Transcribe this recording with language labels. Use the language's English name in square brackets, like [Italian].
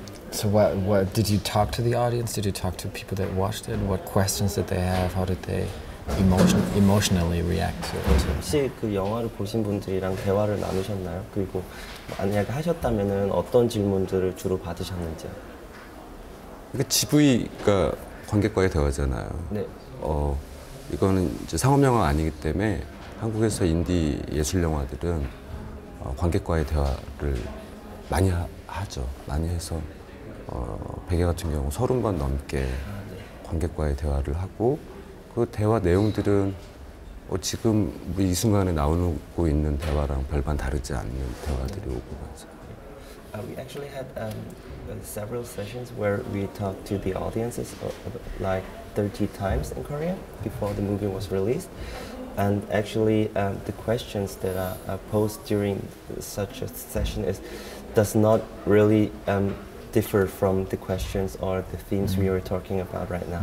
[English] So what did you talk to the audience? Did you talk to people that watched it? What questions did they have? How did they emotionally react to it? [Korean] 혹시 그 영화를 보신 분들이랑 대화를 나누셨나요? 그리고 만약에 하셨다면은 어떤 질문들을 주로 받으셨는지요? 그 GV가 관객과의 대화잖아요. 네. 이거는 이제 상업영화 아니기 때문에 한국에서 인디 예술영화들은 관객과의 대화를 많이 하죠. 많이 해서 백예 같은 경우 30번 넘게 관객과의 대화를 하고 그 대화 내용들은 지금 이 순간에 나오고 있는 대화랑 별반 다르지 않는 대화들이 오고 가죠. [English] We actually had several sessions where we talked to the audiences like 30 times in Korea before the movie was released. And actually, the questions that are posed during such a session is does not really differ from the questions or the themes mm-hmm. we are talking about right now.